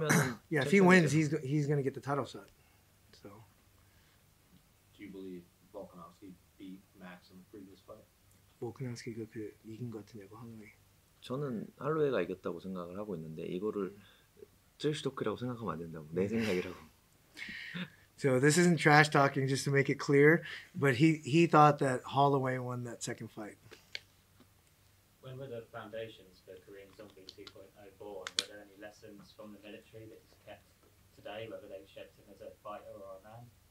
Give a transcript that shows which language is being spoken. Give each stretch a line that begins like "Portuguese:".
English: Well, yeah, if he wins, he's gonna get the title shot. So. Do you believe Volkanovski beat Max in the previous fight?
Korean: 볼카노스키가 그 이긴 것 같냐고 할로웨이. 저는 할로웨이가 이겼다고 생각을 하고 있는데 이거를 트래시 토크라고 생각하면 안 된다고 내 생각이라고.
English: So this isn't trash talking just to make it clear, but he thought that Holloway won that second fight. When were the foundations for Korean Zombie 2.0 born? Were there any lessons from the military that he's kept today, whether they checked him as a fighter or a man?